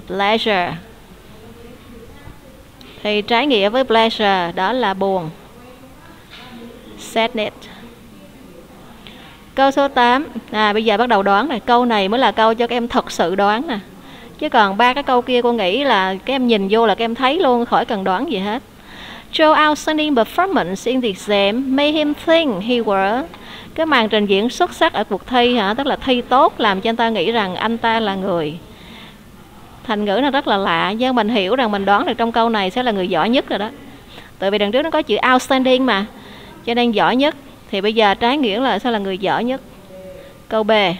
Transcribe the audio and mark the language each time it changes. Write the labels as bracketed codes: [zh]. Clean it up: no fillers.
[vi] Pleasure thì trái nghĩa với pleasure đó là buồn, sadness. Câu số 8, à bây giờ bắt đầu đoán nè, câu này mới là câu cho các em thật sự đoán nè, chứ còn ba cái câu kia cô nghĩ là các em nhìn vô là các em thấy luôn, khỏi cần đoán gì hết. [en] Show outstanding performance in the exam made him think he were. [vi] Cái màn trình diễn xuất sắc ở cuộc thi hả, tức là thi tốt làm cho anh ta nghĩ rằng anh ta là người. Thành ngữ nó rất là lạ, nhưng mình hiểu rằng mình đoán được trong câu này sẽ là người giỏi nhất rồi đó. Tại vì đằng trước nó có chữ outstanding mà, cho nên giỏi nhất. Thì bây giờ trái nghĩa là sẽ là người giỏi nhất. Câu B.